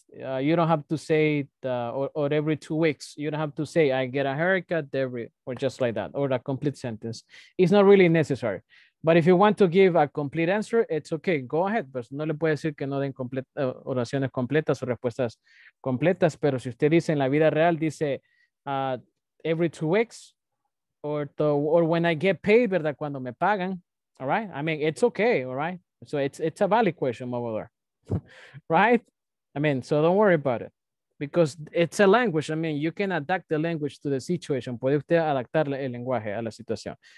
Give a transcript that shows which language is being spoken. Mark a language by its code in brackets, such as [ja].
[en] You don't have to say it, or every 2 weeks. You don't have to say I get a haircut every, or just like that, or a complete sentence. It's not really necessary. But if you want to give a complete answer, it's okay. Go ahead. [es] Pues no le puede decir que no den oraciones completas o respuestas completas. Pero si usted dice en la vida real, dice [en] every 2 weeks, or when I get paid, [es] ¿verdad? Cuando me pagan. [en] All right. I mean, it's okay. All right. So it's a valid question over there. Right. I mean, so don't worry about it because it's a language. I mean, you can adapt the language to the situation. [es] Puede usted adaptar el lenguaje a la situación.